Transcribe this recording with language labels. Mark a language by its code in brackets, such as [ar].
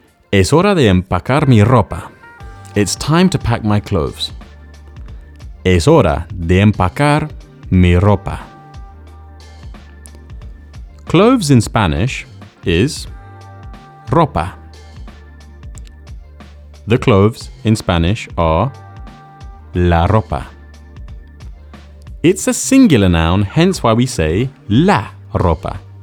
[es] Es hora de empacar mi ropa. [en] It's time to pack my clothes. [es] Es hora de empacar mi ropa. [en] Clothes in Spanish is ropa. The clothes in Spanish are la ropa. It's a singular noun, hence why we say la ropa.